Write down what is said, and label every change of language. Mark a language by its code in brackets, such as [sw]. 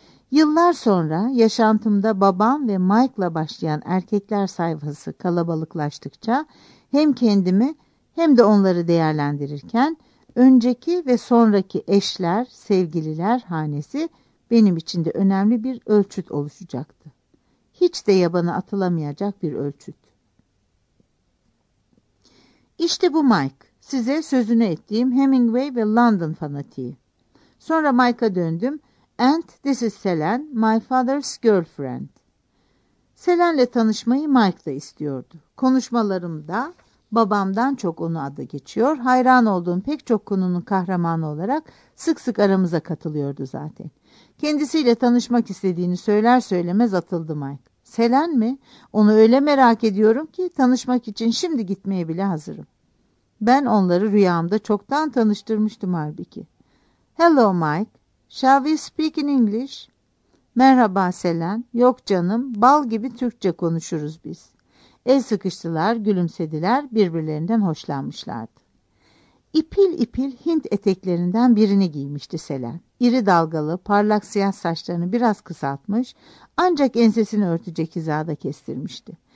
[tr] Yıllar sonra yaşantımda babam ve Mike'la başlayan erkekler sayfası kalabalıklaştıkça hem kendimi hem de onları değerlendirirken önceki ve sonraki eşler, sevgililer hanesi benim için de önemli bir ölçüt oluşacaktı. Hiç de yabana atılamayacak bir ölçüt. İşte bu Mike. Size sözünü ettiğim Hemingway ve London fanatiği. Sonra Mike'a döndüm. [en] And this is Selen, my father's girlfriend. [tr] Selen'le tanışmayı Mike da istiyordu. Konuşmalarımda babamdan çok onu adı geçiyor. Hayran olduğum pek çok konunun kahramanı olarak sık sık aramıza katılıyordu zaten. Kendisiyle tanışmak istediğini söyler söylemez atıldı Mike. Selen mi? Onu öyle merak ediyorum ki tanışmak için şimdi gitmeye bile hazırım. Ben onları rüyamda çoktan tanıştırmıştım halbuki. [en] Hello Mike, shall we speak in English? [tr] Merhaba Selen, yok canım, bal gibi Türkçe konuşuruz biz. El sıkıştılar, gülümsediler, birbirlerinden hoşlanmışlardı. İpil ipil Hint eteklerinden birini giymişti Selen. İri dalgalı, parlak siyah saçlarını biraz kısaltmış, ancak ensesini örtecek hizada kestirmişti.